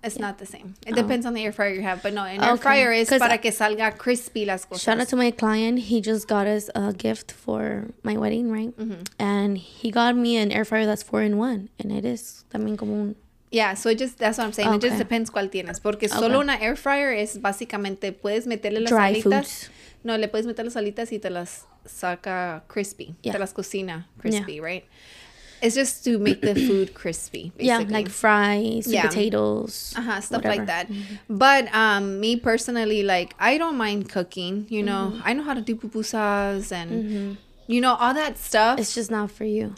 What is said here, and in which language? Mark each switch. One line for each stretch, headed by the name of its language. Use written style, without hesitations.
English: It's not the same. It depends on the air fryer you have. But no, an air fryer is
Spanish: para que salga
English: crispy las cosas. Shout out to my client. He just got us a gift for my wedding, right? Mm-hmm. And he got me an air fryer that's 4-in-1. And it is
Spanish: también como un...
English: Yeah, so it just, that's what I'm saying. Okay. It just depends
Spanish: cuál tienes. Porque solo una air fryer es básicamente, puedes meterle las
English: dry
Spanish: salitas.
English: Dry foods.
Spanish: No, le puedes meter las alitas y te las saca crispy.
English: Yeah.
Spanish: Te las cocina crispy,
English: yeah. right? It's just to make the food crispy, basically. Yeah, like fries, yeah. potatoes, uh-huh, stuff whatever. Like that. Mm-hmm. But me personally, like, I don't mind cooking, you know? Mm-hmm. I know how to do pupusas and, you know, all that stuff. It's just not for you.